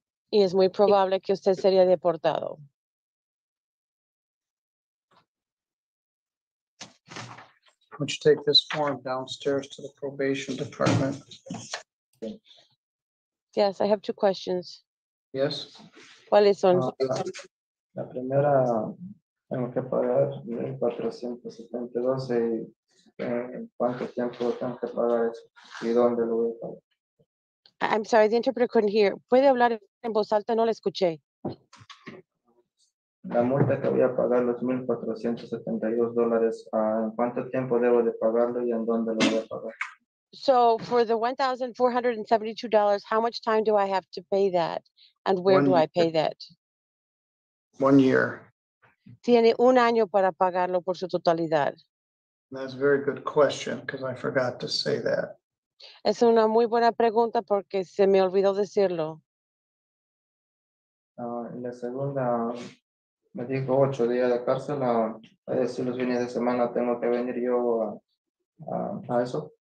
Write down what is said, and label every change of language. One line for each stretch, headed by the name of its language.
Spanish: Y es muy probable que usted sería deportado.
English: Why don't you take this form downstairs to the probation department? Yes, I have two questions. Yes.
Spanish: ¿Cuáles son? La primera, tengo que pagar 1,472. ¿Cuánto tiempo tengo que pagar eso? ¿Y dónde lo voy a pagar?
English: I'm sorry, the interpreter couldn't hear.
Spanish: ¿Puede hablar en voz alta? No la escuché. La multa que voy a pagar, los $1,472, ¿en cuánto tiempo debo de pagarlo y en dónde lo voy a pagar?
English: So for the $1,472, how much time do I have to pay that? And where do I pay that? 1 year.
Spanish: Tiene un año para pagarlo por su totalidad.
English: That's a very good question because I forgot to say that.
Spanish: Es una muy buena pregunta porque se me olvidó decirlo. La segunda, me dijo 8 días de cárcel. Si los fines de semana tengo que venir yo a eso.